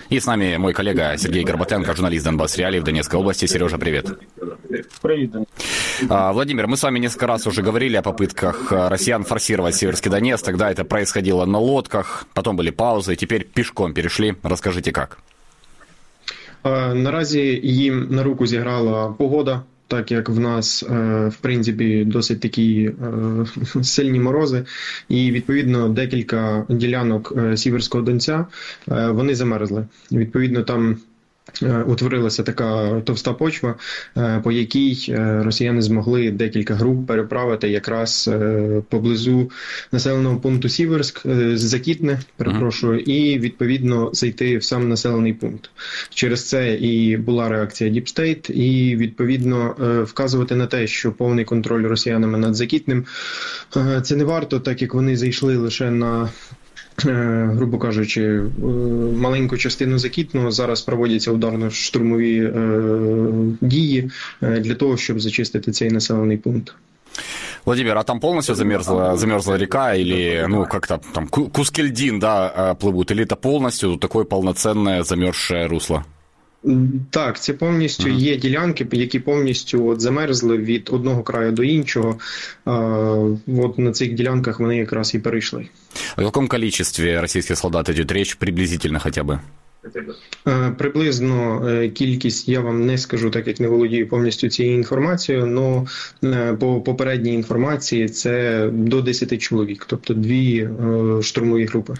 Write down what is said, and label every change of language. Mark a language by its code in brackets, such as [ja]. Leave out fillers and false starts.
[ru] И с нами мой коллега Сергей Горбатенко, журналист Донбасс Реалии в Донецкой области. Сережа, привет. Владимир, мы с вами несколько раз уже говорили о попытках россиян форсировать Сиверский Донец. Тогда это происходило на лодках, потом были паузы, теперь пешком перешли. Расскажите, как? [uk] Наразі їм на руку зіграла погода, так як в нас, в принципі, досить такі сильні морози. І, відповідно, декілька ділянок Сіверського Донця, вони замерзли. Відповідно, там утворилася така товста почва, по якій росіяни змогли декілька груп переправити якраз поблизу населеного пункту Сіверськ, Закітне, перепрошую, і, відповідно, зайти в сам населений пункт. Через це і була реакція Deep State, і, відповідно, вказувати на те, що повний контроль росіянами над Закітним, це не варто, так як вони зайшли лише на, грубо кажучи, маленьку частину Закітного, зараз проводяться ударно-штурмові дії для того, щоб зачистити цей населений пункт. [ru] Владимир, а там полностью замерзла, река или, ну, как-то там куски льдин, да, плывут? Или это полностью такое полноценное замерзшее русло? [uk] Так, це повністю є ділянки, які повністю от замерзли від одного краю до іншого. От на цих ділянках вони якраз і перейшли. О якому кількості російських солдат йде річ? [ru] Приблизительно [uk] хоча б? Приблизно кількість, я вам не скажу, так як не володію повністю цією інформацією, але по попередній інформації це до 10 чоловік, тобто дві штурмові групи.